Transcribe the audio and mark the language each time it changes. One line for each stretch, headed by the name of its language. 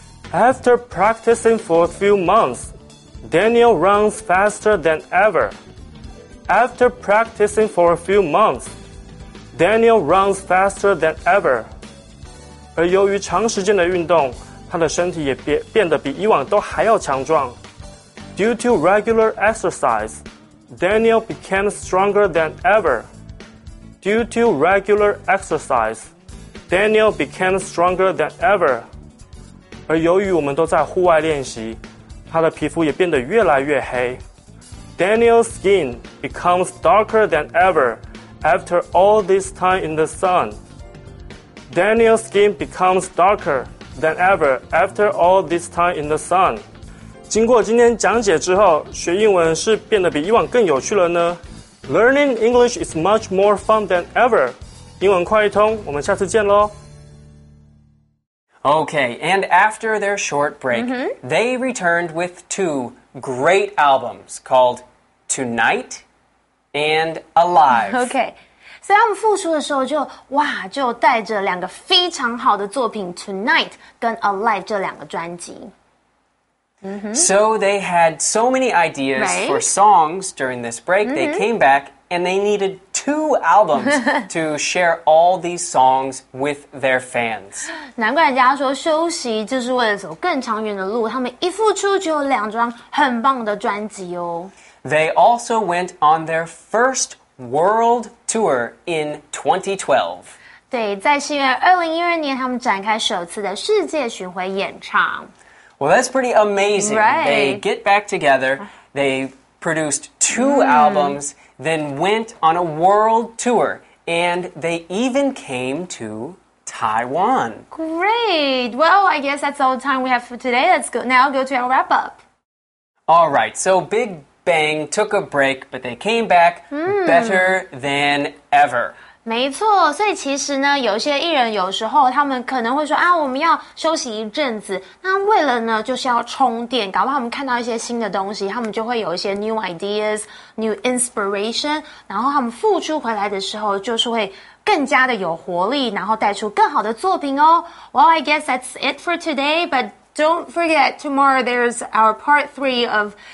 English: After practicing for a few months, Daniel runs faster than ever. After practicing for a few months, Daniel runs faster than ever.
Chinese: 而由于长时间的运动，他的身体也变得比以往都还要强壮。
English: Due to regular exercise, Daniel became stronger than ever. Due to regular exercise, Daniel became stronger than ever.
Chinese: 而由于我们都在户外练习，他的皮肤也变得越来越黑。
English: Daniel's skin becomes darker than ever after all this time in the sun. Daniel's skin becomes darkerthan ever after all this time in the sun.
Chinese: 经过今天讲解之后，学英文是变得比以往更有趣了呢？
English: Learning English is much more fun than ever.
Chinese: 英文快一通，我们下次见咯。
English: Okay, and after their short break,、mm-hmm. they returned with two great albums called Tonight and Alive.
Chinese: Okay. 所以他们复出的时候就哇就带着两个非常好的作品 Tonight 跟 Alive 这两个专辑、mm-hmm.
English: So they had so many ideas、 right? for songs during this break、mm-hmm. They came back and they needed two albums to share all these songs with their fans
Chinese: 难怪人家说休息就是为了走更长远的路他们一复出就有两张很棒的专辑哦
English: They also went on their first World Tour in 2012.
Chinese: 对在西元2012年他们展开首次的世界巡回演唱。
English: Well, that's pretty amazing. Right. They get back together, they produced two、mm. albums, then went on a world tour, and they even came to Taiwan. Great. Well, I guess that's all the time we have for today. Let's go, now go to our wrap up. All right, so Big Bang took a break, but they came back、mm. better than ever.
Chinese: 没错，所以其实呢，有些艺人有时候他们可能会说啊，我们要休息一阵子。那为了呢，就是要充电，搞不好他们看到一些新的东西，他们就会有一些
English: new ideas, new inspiration.
Chinese: 然后他们复出回来的时候，就是会更加的有活力，然后带出更好的作品哦。 Well, I guess that's it for today, but don't forget tomorrow there's our part three of.